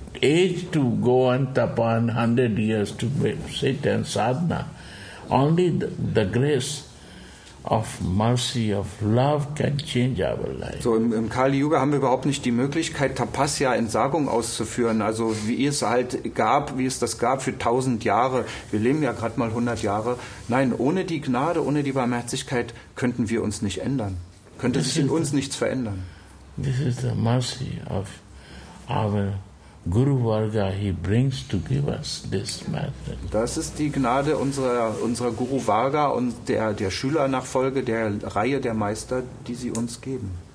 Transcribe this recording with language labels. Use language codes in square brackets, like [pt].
[en] Age to go and tapa, 100 years to sit and sadhana. Only the grace of mercy, of love can change our life. [de] So im Kali Yuga haben wir überhaupt nicht die Möglichkeit, Tapasya, Entsagung auszuführen. Also wie es das gab für 1,000 Jahre. Wir leben ja gerade mal 100 Jahre. Nein, ohne die Gnade, ohne die Barmherzigkeit könnten wir uns nicht ändern. Könnte sich in uns nichts verändern. [en] This is the mercy of our Guru Varga. He brings to give us this method. [de] Das ist die Gnade unserer Guru Varga und der Schülernachfolge, der Reihe der Meister, die sie uns geben.